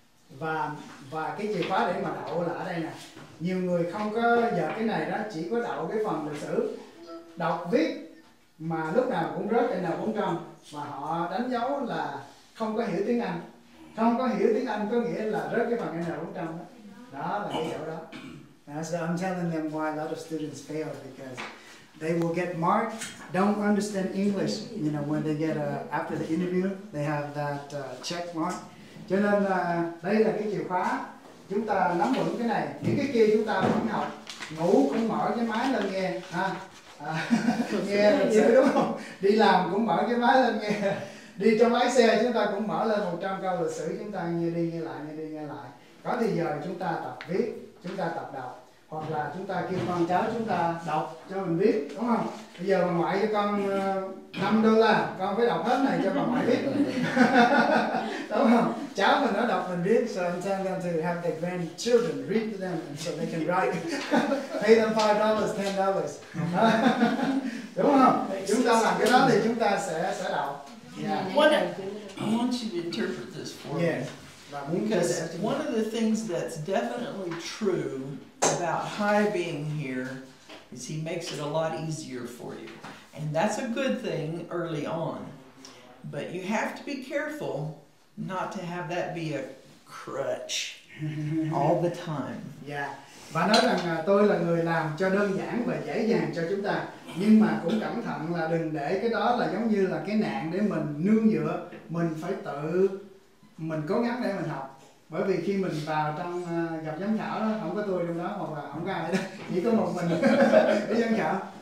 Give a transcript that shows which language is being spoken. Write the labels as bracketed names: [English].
[Vietnamese] Và cái chìa khóa để mà đậu là ở đây nè. Nhiều người không có giờ cái này đó, chỉ có đậu cái phần lịch sử, đọc, viết mà lúc nào cũng rớt N400. Và họ đánh dấu là không có hiểu tiếng Anh. Không có hiểu tiếng Anh có nghĩa là rớt cái phần N400 đó. Đó là cái chỗ đó. [English] So I'm telling them why a lot of students fail, because they will get marked, don't understand English, you know, when they get after the interview, they have that check mark. [Vietnamese] Cho nên đây là cái chìa khóa, chúng ta nắm vững cái này, những cái kia chúng ta vẫn học, ngủ cũng mở cái máy lên nghe, ha, nghe thật sự đúng không? Đi làm cũng mở cái máy lên nghe, đi trong lái xe chúng ta cũng mở lên 100 câu lịch sử, chúng ta nghe đi nghe lại. Có thì giờ chúng ta tập viết, chúng ta tập đọc, hoặc là chúng ta kêu con cháu chúng ta đọc cho mình biết, đúng không? Bây giờ bà ngoại cho con $5, con phải đọc hết này cho bà ngoại biết. Đúng không? Cháu mình nó đọc mình biết. [English] So I'm telling them to have their grandchildren read to them so they can write. Pay them $5, $10. [Vietnamese] Đúng không? Chúng ta làm cái đó thì chúng ta sẽ đọc. [English] Yeah. I want you to interpret this for me. Because one of the things that's definitely true about Hai being here is he makes it a lot easier for you. And that's a good thing early on. But you have to be careful not to have that be a crutch all the time. Yeah. [Vietnamese] Và nói rằng tôi là người làm cho đơn giản và dễ dàng cho chúng ta. Nhưng mà cũng cẩn thận là đừng để cái đó là giống như là cái nạn để mình nương dựa. Mình phải tự... mình cố gắng để mình học, bởi vì khi mình vào trong gặp giám khảo đó, không có tôi trong đó hoặc là không có ai đó, chỉ có một mình với giám khảo.